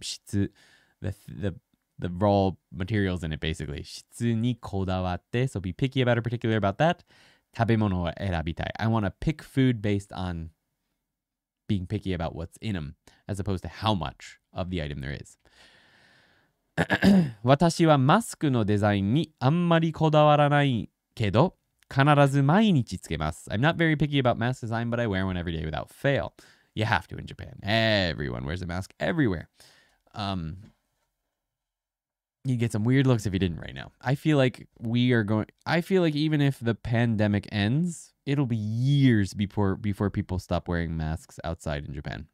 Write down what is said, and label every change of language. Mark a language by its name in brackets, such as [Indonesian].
[English] 質, the raw materials in it, basically. [Japanese] 質にこだわって, [English] so be picky about or particular about that. [Japanese] 食べ物を選びたい. [English] I want to pick food based on being picky about what's in them, as opposed to how much of the item there is. [Japanese] 私はマスクのデザインにあんまりこだわらないけど、必ず毎日つけます. [English] I'm not very picky about mask design, but I wear one every day without fail. You have to in Japan. Everyone wears a mask everywhere. You'd get some weird looks if you didn't right now. I feel like even if the pandemic ends, it'll be years before people stop wearing masks outside in Japan.